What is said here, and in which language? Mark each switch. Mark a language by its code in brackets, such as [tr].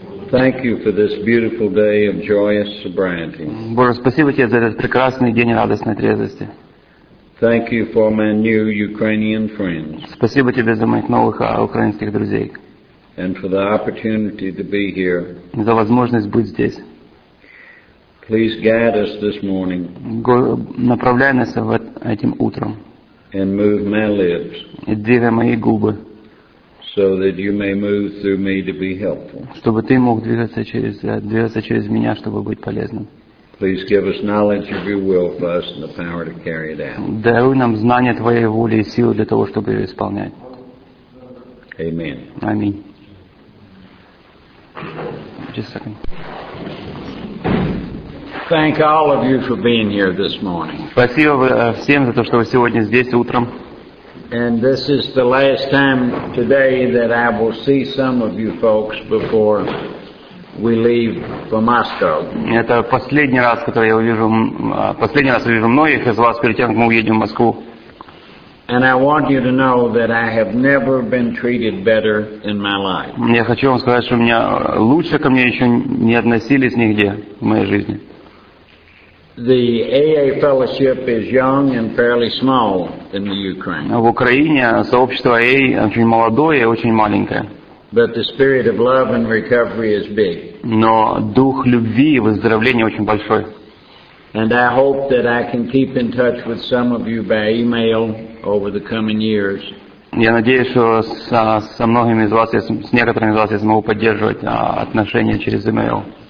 [en] thank you for this beautiful day of joyous sobriety. [ru] Боже, спасибо тебе за этот прекрасный день радостной трезвости. [en] Thank you for my new Ukrainian friends. [ru] Спасибо тебе за моих новых украинских друзей. [en] And for the opportunity to be here. [ru] За возможность быть здесь. [en] Please guide us this morning. [ru] Направляй нас этим утром. [en] And move my lips. [ru] И двигай мои губы. [en] So that you may move through me to be helpful. [ru] Чтобы ты мог двигаться через меня, чтобы быть полезным. [en] Please give us knowledge of your will for us and the power to carry it out. [ru] Даруй нам знание твоей воли и силы для того, чтобы ее исполнять. [en] Amen. [ru] Аминь. [en] Just a second. Thank all of you for being here this morning. [ru] Спасибо всем за то, что вы сегодня здесь утром. [en] And this is the last time today that I will see some of you folks before we leave for Moscow. [ru] Это последний раз, который я увижу, последний раз увижу многих из вас перед тем, как мы уедем в Москву. [en] And I want you to know that I have never been treated better in my life. [ru] Я хочу вам сказать, что меня лучше ко мне еще не относились нигде в моей жизни. [en] The AA fellowship is young and fairly small in the Ukraine. [ru] В Украине сообщество AA очень молодое и очень маленькое. [en] But the spirit of love and recovery is big. [ru] Но дух любви и выздоровления очень большой. [en] And I hope that I can keep in touch with some of you by email over the coming years. [ru] Я надеюсь, что со многими из вас, с некоторыми из вас я смогу поддерживать отношения через email.